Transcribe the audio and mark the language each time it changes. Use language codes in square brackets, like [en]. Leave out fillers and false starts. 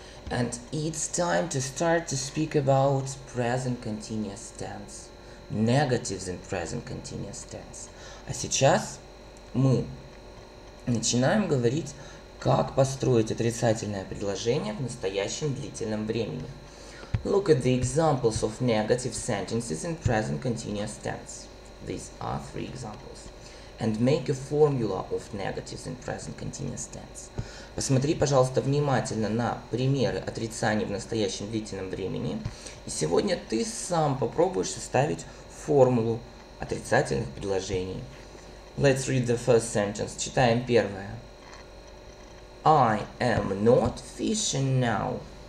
[en] And it's time to start to speak about present continuous tense. Negatives in present continuous tense. [ru] А сейчас мы начинаем говорить, как построить отрицательное предложение в настоящем длительном времени. [en] Look at the examples of negative sentences in present continuous tense. These are three examples. And make a formula of negatives in present continuous tense. [ru] Посмотри, пожалуйста, внимательно на примеры отрицаний в настоящем длительном времени. И сегодня ты сам попробуешь составить формулу отрицательных предложений. [en] Let's read the first sentence. [ru] Читаем первое. [en] I am not fishing now.